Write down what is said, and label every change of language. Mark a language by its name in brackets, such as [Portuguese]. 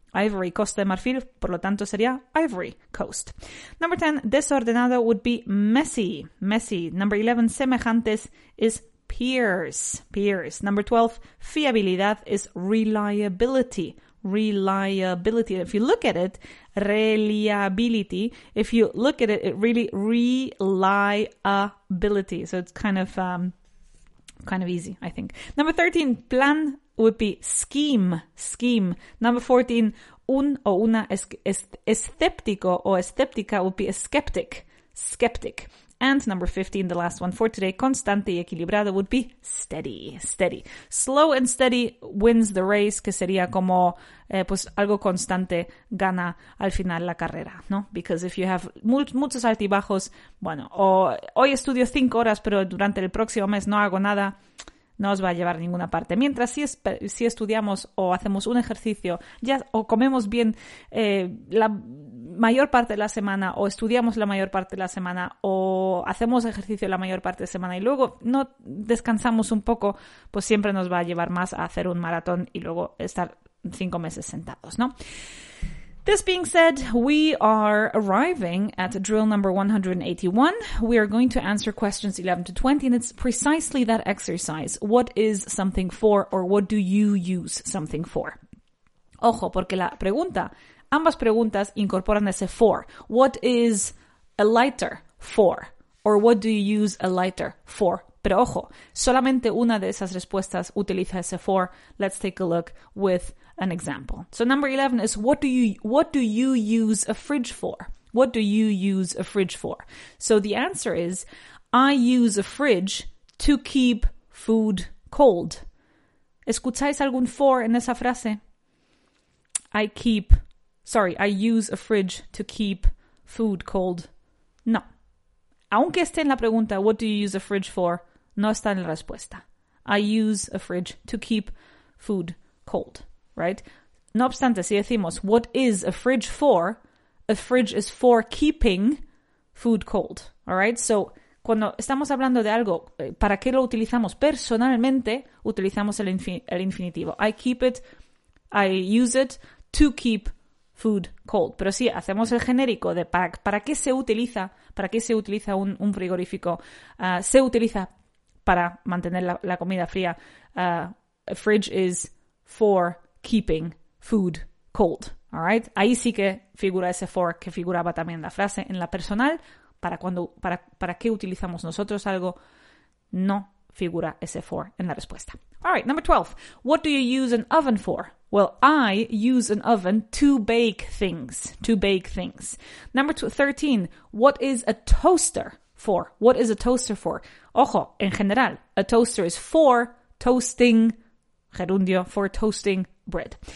[Spanish] Ivory, Costa de Marfil, por lo tanto sería [English] Ivory Coast. Number 10, desordenado would be messy. Messy. Number 11, semejantes is peers. Peers. Number 12, fiabilidad is reliability. Reliability. And if you look at it, reliability, if you look at it, it really reliability. So it's kind of easy, I think. Number 13, plan would be scheme. Number 14, [Spanish] un o una escéptico o escéptica [English] would be a skeptic. Skeptic. And number 15, the last one for today, [Spanish] constante y equilibrado [English] would be steady, steady. Slow and steady wins the race, [Spanish] que sería como, pues algo constante gana al final la carrera, ¿no? [English] Because if you have [Spanish] muchos altibajos, bueno, o hoy estudio 5 horas, pero durante el próximo mes no hago nada, no os va a llevar a ninguna parte. Mientras si estudiamos o hacemos un ejercicio, ya o comemos bien la mayor parte de la semana, o estudiamos la mayor parte de la semana, o hacemos ejercicio la mayor parte de la semana y luego no descansamos un poco, pues siempre nos va a llevar más a hacer un maratón y luego estar 5 meses sentados, ¿no? [English] This being said, we are arriving at drill number 181. We are going to answer questions 11 to 20, and it's precisely that exercise. What is something for, or what do you use something for? [Spanish] Ojo, porque la pregunta, ambas preguntas incorporan ese for. [English] What is a lighter for, or what do you use a lighter for? [Spanish] Pero ojo, solamente una de esas respuestas utiliza ese for. [English] Let's take a look with an example. So number 11 is, what do you use a fridge for? What do you use a fridge for? So the answer is, I use a fridge to keep food cold. [Spanish] ¿Escucháis algún for en esa frase? [English] I use a fridge to keep food cold. No. [Spanish] Aunque esté en la pregunta, [English] what do you use a fridge for? [Spanish] No está en la respuesta. [English] I use a fridge to keep food cold. Right? [Spanish] No obstante, si decimos, [English] what is a fridge for? A fridge is for keeping food cold. All right? [Spanish] So, cuando estamos hablando de algo, ¿para qué lo utilizamos personalmente? Utilizamos el infinitivo. [English] I use it to keep food cold. [Spanish] Pero si hacemos el genérico de ¿para qué se utiliza un frigorífico? Se utiliza para mantener la comida fría. [English] A fridge is for keeping food cold, all right? [Spanish] Ahí sí que figura ese for que figuraba también la frase en la personal. ¿Para qué utilizamos nosotros algo? No figura ese for en la respuesta. [English] All right, number 12. What do you use an oven for? Well, I use an oven to bake things, Number 13. What is a toaster for? [Spanish] Ojo, en general, [English] a toaster is for toasting, gerundio, for toasting bread.